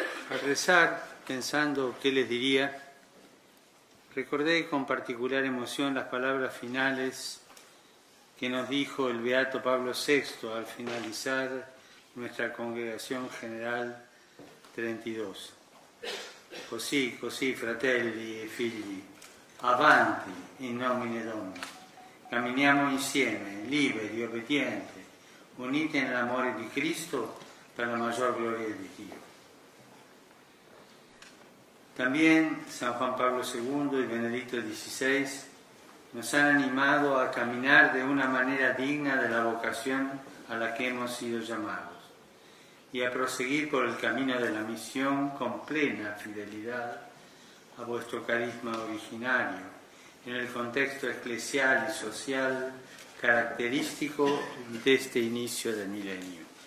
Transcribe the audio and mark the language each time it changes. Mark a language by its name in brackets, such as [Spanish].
[Spanish] Al rezar, pensando qué les diría, recordé con particular emoción las palabras finales que nos dijo el Beato Pablo VI al finalizar nuestra Congregación General 32. [Italian] Così, così, fratelli e figli, avanti [Latin] in nomine Domini. [Italian] Caminiamo insieme, liberi, obedienti, uniti nell'amore di Cristo per la maggior gloria di Dio. [Spanish] También San Juan Pablo II y Benedicto XVI nos han animado a caminar de una manera digna de la vocación a la que hemos sido llamados y a proseguir por el camino de la misión con plena fidelidad a vuestro carisma originario, en el contexto eclesial y social característico de este inicio del milenio.